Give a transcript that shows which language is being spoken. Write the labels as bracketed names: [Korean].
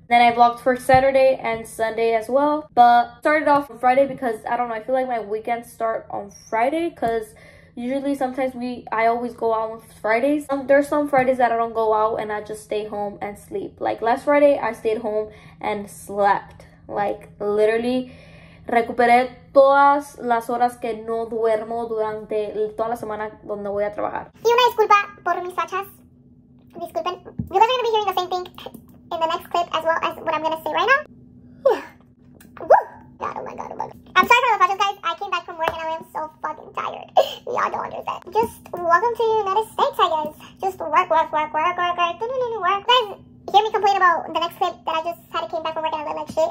[English] Then I vlogged for Saturday and Sunday as well. But started off on Friday because, I don't know, I feel like my weekends start on Friday because usually sometimes I always go out on Fridays. There's some Fridays that I don't go out and I just stay home and sleep. Like last Friday, I stayed home and slept. Like literally, [Spanish] recuperé todas las horas que no duermo durante toda la semana donde voy a trabajar. Y una disculpa por mis fachas. Disculpen. [English] You guys are going to be hearing the same thing in the next clip as well as what I'm going to say right now. Oh my god. I'm sorry for the fachas, guys. I came back from work and I am so fucking tired. Y'all don't understand. Just welcome to the United States, I guess. Just work. Guys, hear me complain about the next clip that I just had to came back from work and I look like shit.